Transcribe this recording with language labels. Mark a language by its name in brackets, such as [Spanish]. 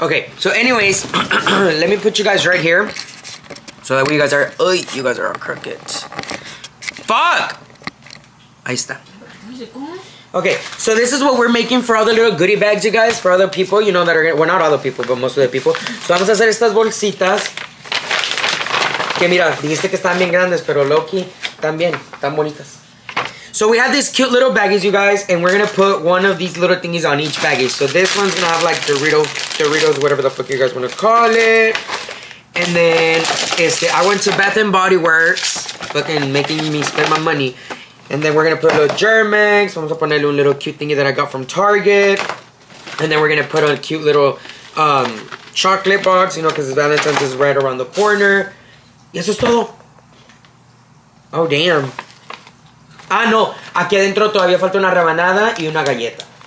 [English] Okay, so anyways, let me put you guys right here. So that way you guys are... you guys are all crooked. Fuck! [Spanish] Ahí está. [English] Okay, so this is what we're making for all the little goodie bags, you guys. For other people, you know, that are... Well, not all the people, but most of the people. So [Spanish] vamos a hacer estas bolsitas. Que mira, dijiste que están bien grandes, pero Loki, también, están bonitas. [English] So we have these cute little baggies, you guys, and we're gonna put one of these little thingies on each baggie. So this one's gonna have like Doritos, whatever the fuck you guys wanna call it. And then, I went to Bath & Body Works, fucking making me spend my money. And then we're gonna put a little Germex, [Spanish] vamos a ponerle un [English] little cute thingy that I got from Target. And then we're gonna put a cute little chocolate box, you know, because Valentine's is right around the corner. [Spanish] Eso es todo. [English] Oh, damn. [Spanish] Ah, no. Aquí adentro todavía falta una rebanada y una galleta.